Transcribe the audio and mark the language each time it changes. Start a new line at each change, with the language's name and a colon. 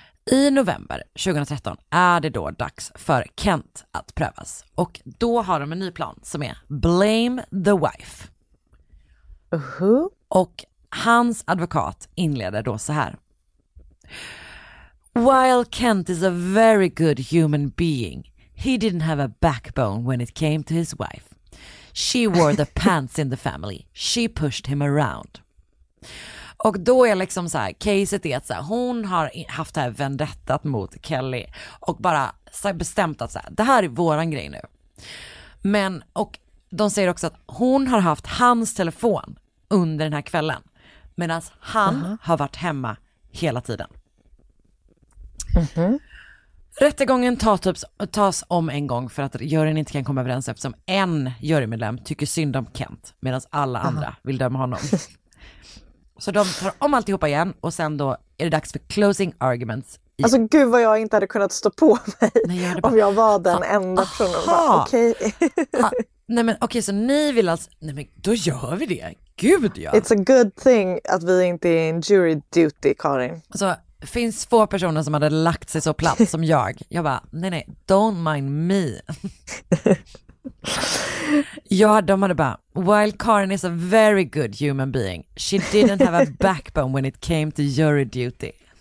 Swedish: I november 2013 är det då dags för Kent att prövas. Och då har de en ny plan som är Blame the Wife. Och hans advokat inleder då så här.
English: While Kent is a very good human being, he didn't have a backbone when it came to his wife. She wore the pants in the family. She pushed him around.
Swedish: Och då är liksom så här, caset är att så här, hon har haft det här vendettat mot Kelly och bara bestämt att så här, det här är våran grej nu. Men, och de säger också att hon har haft hans telefon under den här kvällen medan han har varit hemma hela tiden. Rättegången tas om en gång för att juryn inte kan komma överens eftersom en jurymedlem tycker synd om Kent medan alla andra vill döma honom. Så de tar om alltihopa igen och sen då är det dags för closing arguments. Alltså gud vad jag inte hade kunnat stå på mig. Nej, jag bara, om jag var den enda personen. Okej. Nej men okej, så ni vill alltså, nej men då gör vi det. Gud ja.
English: It's a good thing
Swedish: att vi inte är
English: in jury duty, Karin.
Swedish: Alltså finns få personer som hade lagt sig så platt som jag. Jag bara, nej,
English: don't mind me.
Swedish: Ja, de hade bara,
English: while Karin is a very good human being, she didn't have a backbone when it came to jury duty.